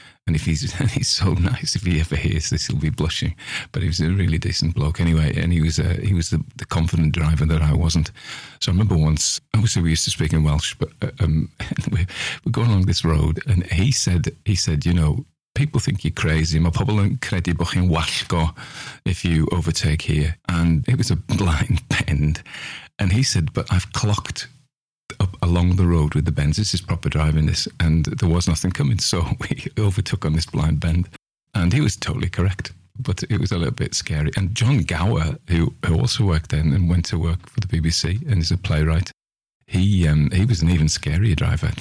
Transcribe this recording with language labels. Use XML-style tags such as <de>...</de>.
<en>And if he's so nice, if he ever hears this, he'll be blushing. But he was a really decent bloke anyway. And he was the confident driver that I wasn't. So I remember once, obviously we used to speak in Welsh, but we're going along this road. And he said, you know, people think you're crazy.</en> <cy>Mae pobl yn credu bod chi'n wallgo</cy> <en>if you overtake here. And it was a blind bend. And he said, but I've clocked up along the road with the bends. This is proper driving, this. And there was nothing coming. So we overtook on this blind bend. And he was totally correct. But it was a little bit scary. And John Gower, who also worked then and went to work for the BBC and is a playwright, he was an even scarier driver.</en>